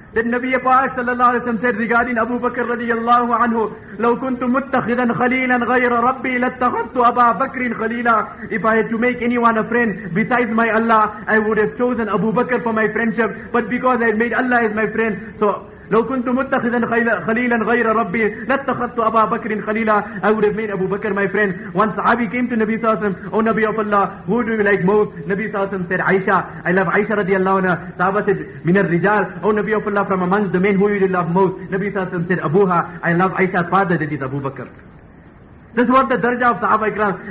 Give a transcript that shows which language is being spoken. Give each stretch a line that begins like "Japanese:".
English: Then Nabi Paak sallallahu alayhi wa sallam said regarding Abu Bakr radiyallahu anhu,
Arabic: لَوْ كُنْتُ مُتَّخِذًا خَلِيلًا غَيْرَ رَبِّي لَتَّخَذْتُ أَبَا بَكْرٍ خَلِيلًا.
English: If I had to make anyone a friend besides my Allah, I would have chosen Abu Bakr for my friendship. But because I had made Allah as my friend, so
Arabic: لو كنت متخذا خليلا غير ربي لاتخذت ابا بكر خليلا.
English: I would have made Abu Bakr my friend. Once Abi came to Nabi Sallallahu Alaihi Wasallam, oh Nabi of Allah, who do you like most? Nabi Sallallahu Alaihi Wasallam said, Aisha. I love Aisha radiallahu anha. Sahaba said,
Arabic: min al-rijal.
English: Oh Nabi of Allah, from amongst the men, who do you love most? Nabi Sallallahu Alaihi Wasallam said, Abuha. I love Aisha's father, that is Abu Bakr. This was the darja of Sahaba Ikram.